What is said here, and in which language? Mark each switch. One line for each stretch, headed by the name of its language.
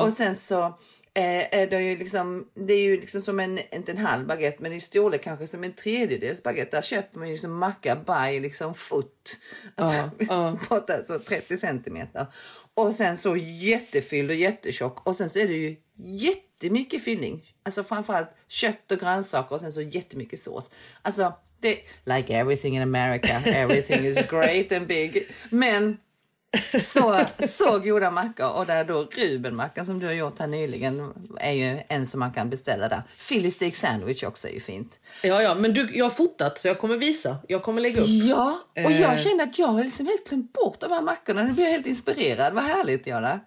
Swedish: Och sen så är det ju liksom, det är ju liksom som en, inte en halv baguette, men i storlek kanske som en tredjedels baguette. Där köper man ju liksom macka by liksom foot. Alltså, så 30 centimeter. Och sen så jättefylld och jättetjock. Och sen så är det ju jättemycket fyllning. Alltså framförallt kött och grönsaker och sen så jättemycket sås. Alltså, det,
English: like everything in America, everything is great and big.
Swedish: Men... Så goda mackor. Och där då Ruben-mackan som du har gjort här nyligen är ju en som man kan beställa där. Philly steak sandwich också är ju fint. Ja, men du, jag har fotat, så jag kommer visa. Jag kommer lägga upp. Ja, och jag känner att jag har liksom helt glömt bort de här mackorna. Nu blir jag helt inspirerad. Vad härligt, Jana.